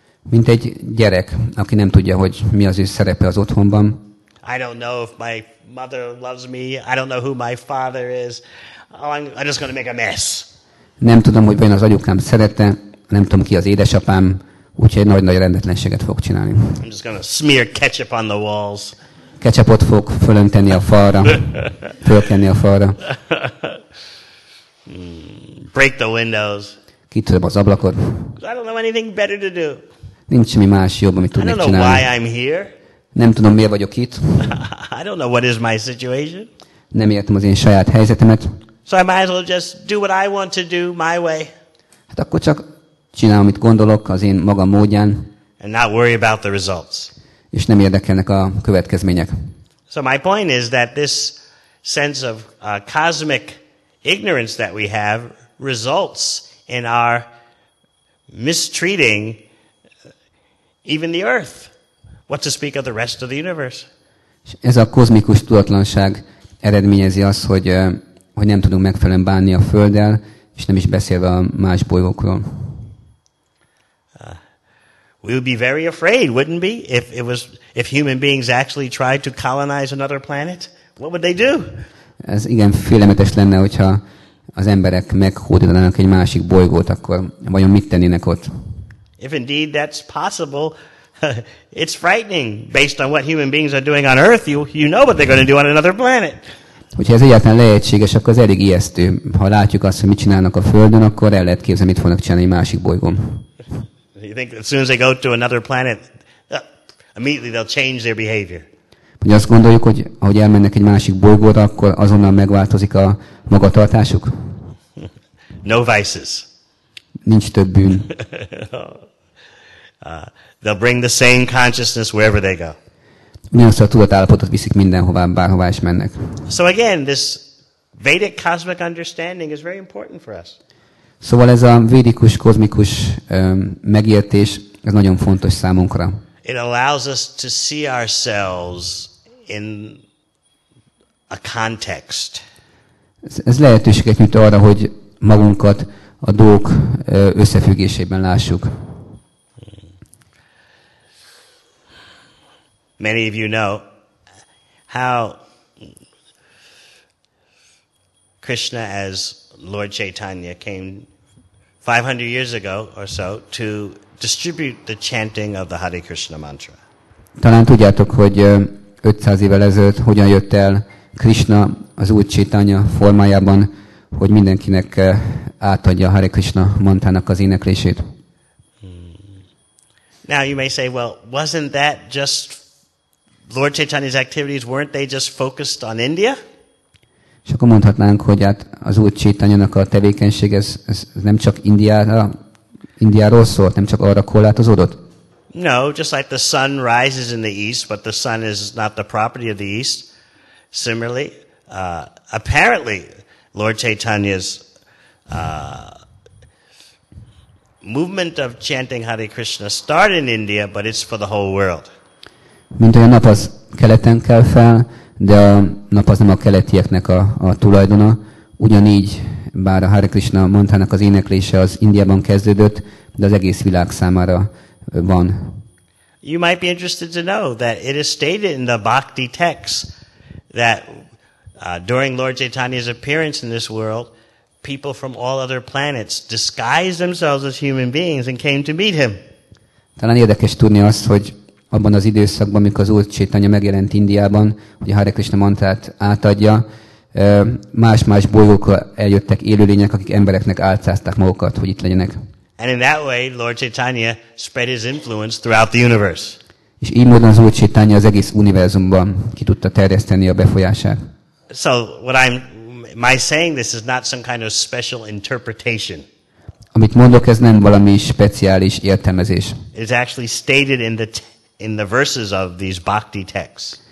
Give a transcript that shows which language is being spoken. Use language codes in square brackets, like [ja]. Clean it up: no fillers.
[hu] Mint egy gyerek, aki nem tudja, hogy mi az ő szerepe az otthonban. [en] I don't know if my mother loves me. I don't know who my father is. I'm just going to make a mess. [hu] Nem tudom, hogy vajon az anyukám szerette, nem tudom, ki az édesapám, úgyhogy nagy-nagy rendetlenséget fog csinálni. [en] I'm just going to smear ketchup on the walls. [hu] Ketchupot fog fölönteni a falra, fölkenni a falra. [en] Break the windows. [hu] Kitöröm az ablakot. [en] I don't know anything better to do. [hu] Nincs semmi más jobb, amit tudnék csinálni. [en] I don't know why I'm here. [hu] Nem tudom, miért vagyok itt. [en] I don't know what is my situation. [hu] Nem értem az én saját helyzetemet. [en] So I might as well just do what I want to do my way. [hu] Hát akkor csak csinálom, amit gondolok az én magam módján. [en] And not worry about the results. [hu] És nem érdekelnek a következmények. [en] So my point is that this sense of cosmic ignorance that we have results in our mistreating even the earth. What to speak of the rest of the universe? [hu] Ez a kozmikus tudatlanság eredményezi azt, hogy hogy nem tudunk megfelelően bánni a Földdel, és nem is beszélve a más bolygókról. [en] We would be very afraid, wouldn't we, if human beings actually tried to colonize another planet? What would they do? [hu] Ez igen félelmetes lenne, hogyha az emberek meghódítanának egy másik bolygót, akkor vajon mit tennének ott? [en] If indeed that's possible, it's frightening. Based on what human beings are doing on Earth, you know what they're going to do on another planet. [hu] Hogyha ez egyáltalán lehetséges, akkor az elég ijesztő. Ha látjuk azt, hogy mit csinálnak a Földön, akkor el lehet képzelni, mit fognak csinálni egy másik bolygón. [en] You think as soon as they go to another planet, immediately they'll change their behavior. [hu] Hogy azt gondoljuk, hogy ahogy elmennek egy másik bolygóra, akkor azonnal megváltozik a magatartásuk? [en] No vices. [hu] Nincs több bűn. [en] They'll bring the same consciousness wherever they go. [hu] Ugyanazt a tudatállapotot viszik mindenhová, bárhová is mennek. [en] So again, this Vedic cosmic understanding is very important for us. [hu] Szóval ez a védikus, kozmikus megértés, ez nagyon fontos számunkra. [en] It allows us to see ourselves in a context. [hu] Ez lehetőséget nyújt arra, hogy magunkat a dolgok összefüggésében lássuk. [en] Many of you know how Krishna as Lord Chaitanya came 500 years ago or so to distribute the chanting of the Hare Krishna mantra. [hu] Talán tudjátok, hogy 500 évvel ezelőtt hogyan jött el Krishna az új Chaitanya formájában, hogy mindenkinek átadja a Hare Krishna mantának az éneklését. [en] Now you may say, well, wasn't that just Lord Chaitanya's activities, weren't they just focused on India? [hu] És akkor mondhatnánk, hogy hát az Úr Chaitanyának a tevékenység, ez nem csak Indiáról szólt, nem csak arra korlátozódott? [en] No, just like the sun rises in the east, but the sun is not the property of the east. Similarly, apparently, Lord Chaitanya's movement of chanting Hare Krishna started in India, but it's for the whole world. [hu] Mint olyan nap az keleten kell fel, de a nap az nem a keletieknek a tulajdona. Ugyanígy, bár a Hare Krishna mantának az éneklése az Indiában kezdődött, de az egész világ számára van. [en] You might be interested to know that it is stated in the bhakti texts that during Lord Chaitanya's appearance in this world, people from all other planets disguised themselves as human beings and came to meet him. [hu] Talán érdekes tudni azt, hogy abban az időszakban, amikor az Úr Chaitanya megjelent Indiában, hogy a Hare Krishna mantrát átadja, más-más bolygókra eljöttek élőlények, akik embereknek álcázták magukat, hogy itt legyenek. [en] And in that way, Lord Chaitanya spread his influence throughout the universe. [hu] És így módon az Úr Chaitanya az egész univerzumban ki tudta terjeszteni a befolyását. [en] So, what I'm my saying this is not some kind of special interpretation. [hu] Amit mondok, ez nem valami speciális értelmezés. [en] It's actually stated in the in the verses of these bhakti texts.